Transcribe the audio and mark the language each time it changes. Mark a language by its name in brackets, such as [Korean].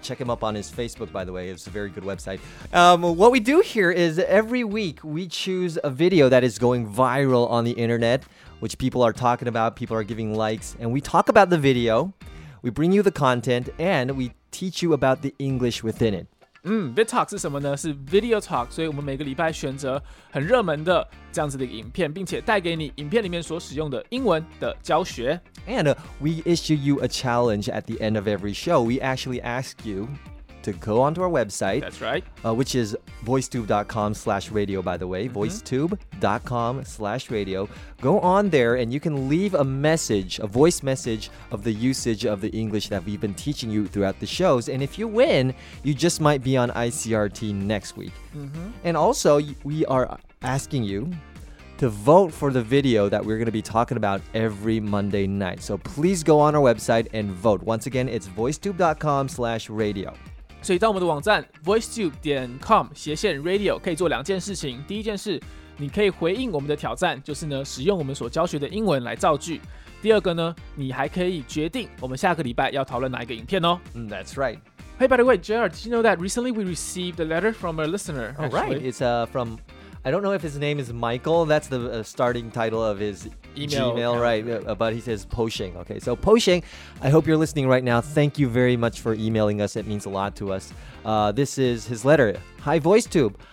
[English] Check him up on his Facebook, by the way. It's a very good website. What we do here is every week we choose a video that is going viral on the internet, which people are talking about, people are giving likes, and we talk about the video, we bring you the content, and we teach you about the English within it. [Chinese] VidTalk 是什么呢? 是Video Talk, 所以我们每个礼拜选择很热门的这样子的影片,并且带给你影片里面所使用的英文的教学。 [English] And we issue you a challenge at the end of every show. We actually ask you to go onto our website. That's right. Which is voicetube.com/radio, by the way. Mm-hmm. Voicetube.com/radio. Go on there and you can leave a message, a voice message of the usage of the English that we've been teaching you throughout the shows. And if you win, you just might be on ICRT next week. Mm-hmm. And also, we are asking you to vote for the video that we're going to be talking about every Monday night. So please go on our website and vote. Once again, it's voicetube.com/radio. [Chinese] 所以到我们的网站 voicetube.com/radio 可以做两件事情。第一件事，你可以回应我们的挑战，就是呢使用我们所教学的英文来造句。第二个呢，你还可以决定我们下个礼拜要讨论哪一个影片哦。 [English] That's right. Hey, by the way, JR, did you know that recently we received a letter from a listener? Oh, right. It's from, I don't know if his name is Michael. That's the starting title of his email, right? But he says Posheng. Okay, so Posheng, I hope you're listening right now. Thank you very much for emailing us. It means a lot to us. This is his letter. Hi, VoiceTube.